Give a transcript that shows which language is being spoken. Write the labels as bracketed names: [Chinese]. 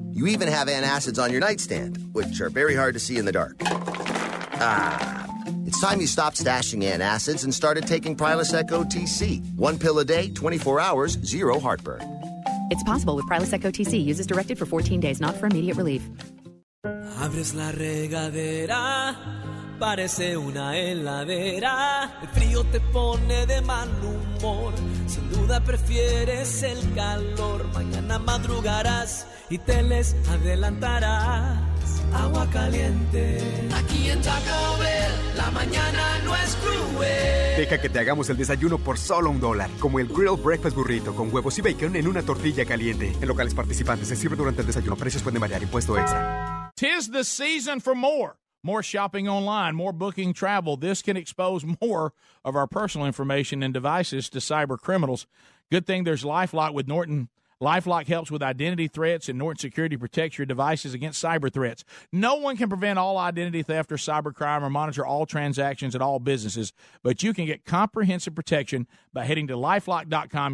[English] You even have antacids on your nightstand, which are very hard to see in the dark. Ah, it's time you stopped stashing antacids and started taking Prilosec OTC. One pill a day, 24 hours, zero heartburn. It's possible with Prilosec OTC. Use as directed for 14 days, not for immediate relief. [Spanish] Abres la regadera. Parece una heladera, el frío te pone de mal humor, sin duda prefieres el calor, mañana madrugarás y te les adelantarás, agua caliente. Aquí en Taco Bell, la mañana no es cruel. Deja que te hagamos el desayuno por solo un dólar, como el Grill Breakfast Burrito con huevos y bacon en una tortilla caliente. En locales participantes se sirve durante el desayuno, precios pueden variar, impuesto extra. [English] Tis the season for more. More shopping online, more booking travel. This can expose more of our personal information and devices to cyber criminals. Good thing there's LifeLock with Norton. LifeLock helps with identity threats, and Norton Security protects your devices against cyber threats. No one can prevent all identity theft or cybercrime or monitor all transactions at all businesses, but you can get comprehensive protection by heading to LifeLock.com.